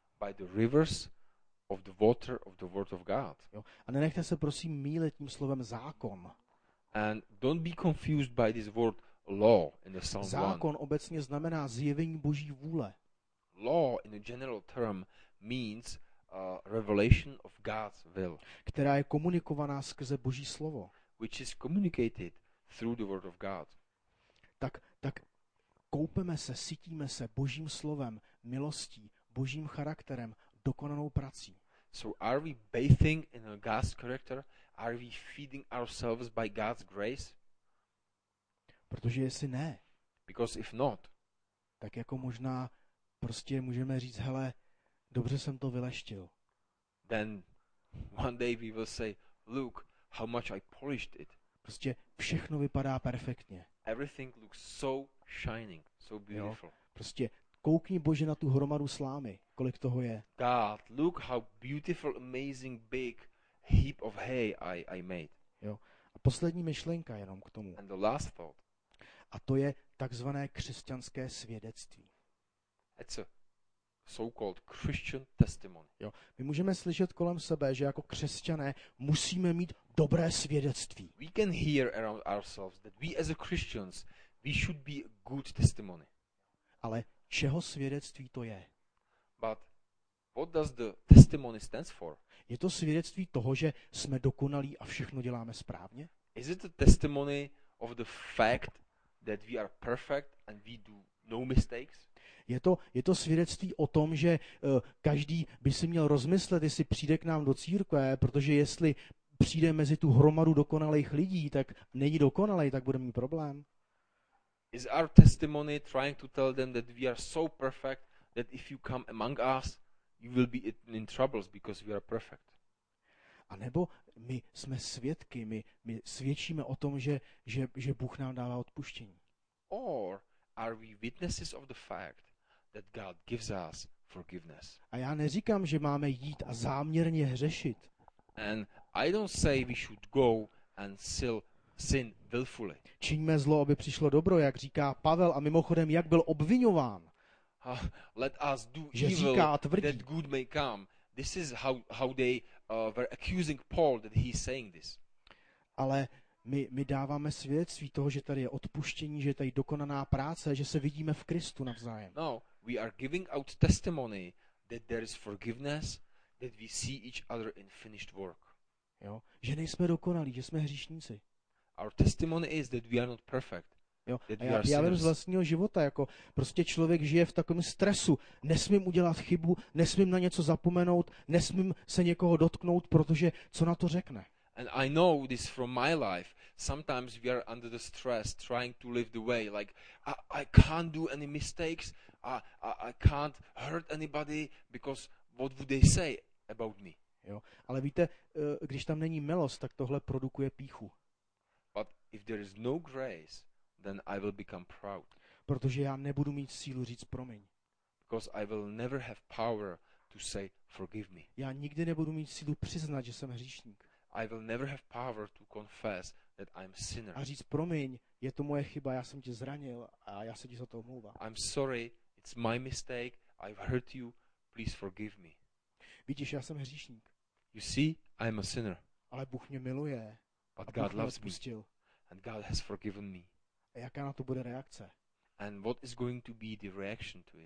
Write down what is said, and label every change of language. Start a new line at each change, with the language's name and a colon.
English: By the rivers of the water of the word of God.
Czech: Jo. A nenechte se prosím mýlit tím slovem zákon.
English: And don't be confused by this word law in the Psalm 1.
Czech: Zákon obecně znamená zjevení Boží vůle.
English: Law in a general term means revelation of God's will.
Czech: Která je komunikovaná skrze Boží slovo.
English: Which is communicated through the word of God.
Czech: Tak koupeme se, sytíme se Božím slovem, milostí, Božím charakterem, dokonanou prací.
English: So are we bathing in a God's character? Are we feeding ourselves by God's grace?
Czech: Protože jestli ne,
English: because if not,
Czech: tak jako možná prostě můžeme říct, hele, dobře jsem to vyleštil.
English: Then one day we will say, look how much I polished it.
Czech: Prostě všechno vypadá perfektně.
English: Everything looks so shining, so beautiful.
Czech: Jo, prostě koukni, Bože, na tu hromadu slámy, kolik toho je.
English: God, look how beautiful, amazing, big heap of hay I made.
Czech: Jo. A poslední myšlenka jenom k tomu.
English: And the last thought.
Czech: A to je takzvané křesťanské svědectví.
English: It's a so-called Christian testimony.
Czech: Jo. My můžeme slyšet kolem sebe, že jako křesťané musíme mít dobré svědectví.
English: We can hear around ourselves that we as a Christians we should be a good testimony.
Czech: Ale čeho svědectví to je?
English: But what does the testimony stands for?
Czech: Je to svědectví toho, že jsme dokonalí a všechno děláme správně?
English: Is it a testimony of the fact that we are perfect and we do no mistakes?
Czech: Je to svědectví o tom, že každý by si měl rozmyslet, jestli přijde k nám do církve, protože jestli přijde mezi tu hromadu dokonalých lidí, tak není dokonalý, tak bude mít problém.
English: Is our testimony trying to tell them that we are so perfect that if you come among us you will be in troubles because we are perfect?
Czech: A nebo my jsme svědky, my svědčíme o tom, že Bůh nám dává odpuštění.
English: Or are we witnesses of the fact that God gives us forgiveness?
Czech: A já neříkám, že máme jít a záměrně hřešit.
English: And I don't say we should go and still sin willfully.
Czech: Čiňme zlo, aby přišlo dobro, jak říká Pavel, a mimochodem, jak byl obviňován.
English: Let us do
Czech: že
English: evil,
Czech: říká a tvrdí.
English: That good may come. This is how they were accusing Paul that he's saying this.
Czech: Ale my dáváme svědectví toho, že tady je odpuštění, že tady je dokonaná práce, že se vidíme v Kristu navzájem.
English: No, we are giving out testimony that there is forgiveness, that we see each other in finished work.
Czech: Jo, že nejsme dokonalí, že jsme hříšníci.
English: Our testimony is that we are not perfect.
Czech: Jo, já vím z vlastního života, jako prostě člověk žije v takovém stresu. Nesmím udělat chybu, nesmím na něco zapomenout, nesmím se někoho dotknout, protože co na to řekne?
English: And I know this from my life. sometimes we are under the stress trying to live the way, like I can't do any mistakes, I can't hurt anybody, because what would they say about me?
Czech: Jo, ale víte, když tam není milost, tak tohle produkuje píchu.
English: But if there is no grace, then I will become proud.
Czech: Protože já nebudu mít sílu říct promiň.
English: Because I will never have power to say forgive me.
Czech: Já nikdy nebudu mít sílu přiznat, že jsem hříšník.
English: I will never have power to confess that I'm sinner.
Czech: A říct promiň, je to moje chyba, já jsem tě zranil a já se ti za to omlouvám.
English: I'm sorry, it's my mistake, I've hurt you, please forgive me.
Czech: Vidíš, já jsem hříšník.
English: You see, I'm a sinner.
Czech: Ale Bůh mě miluje.
English: But
Czech: a
English: God
Czech: Bůh
English: loves
Czech: mě odpustil.
English: And God has forgiven me.
Czech: A jaká na to bude reakce?
English: And what is going to be the reaction to it?